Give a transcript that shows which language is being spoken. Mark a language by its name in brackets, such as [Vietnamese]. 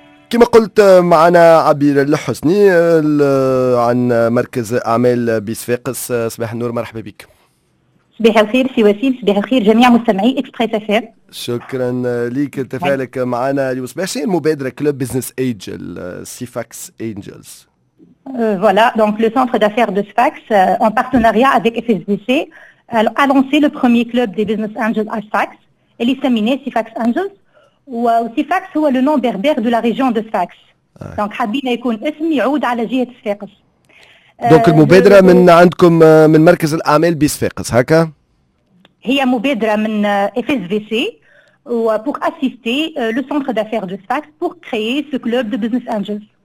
[Arabic] كما قلت معنا عبير الحسني عن مركز أعمال بصفاقس. صباح النور، مرحبا بك. صباح الخير سي وسيم، صباح الخير جميع مستمعي إكسبريس أف أم. شكرا لك لتفاعلك معنا اليوم. صباح الخير. مبادرة كلوب بزنس إنجل سيفاكس إنجلز. [French] Voilà, donc le centre d'affaires de Sfax en partenariat avec FSBC a lancé le premier club des business angels à Sfax. Elle est nommée Sfax Angels. Sfax est le nom berbère de la région de Sfax. [Arabic] Donc, حابين يكون اسم يعود على جهة Sfax. [French] Donc, la [Arabic] مبادرة من عندكم من مركز الأعمال بSfax هكا؟ هي مبادرة من [French] FSBC pour assister le centre d'affaires de Sfax pour créer ce club de business angels.